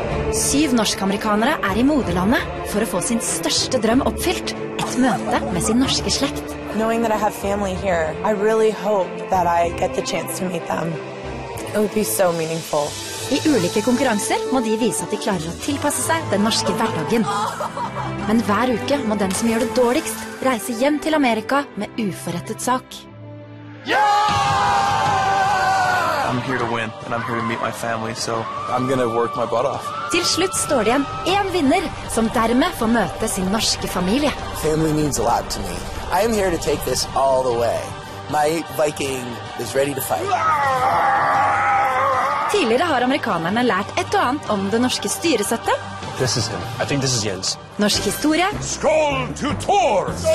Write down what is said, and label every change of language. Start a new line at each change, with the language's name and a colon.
Norwegian: 7 norske amerikanere I moderlandet for å få sin største drøm oppfylt. Et møte med sin norske slekt.
English: Knowing that I have family here, I really hope that I get the chance to meet them. It would be so meaningful.
Norwegian: I ulike konkurranser må de vise at de klarer å tilpasse seg den norske hverdagen. Men hver uke må den som gjør det dårligst reise hjem til Amerika med uforrettet sak.
English: Yeah! I'm here to win, and I'm here to meet my family, so I'm gonna work my butt off.
Norwegian: Til slutt står det igjen en vinner som dermed får møte sin norske familie.
English: Family means a lot to me. I am here to take this all the way. My Viking is ready to fight.
Norwegian: Tidligere har amerikanerne lært et og annet om det norske styresettet.
English: This is him. I think this is Jens.
Norwegian: Norsk historie. Skål til Thor!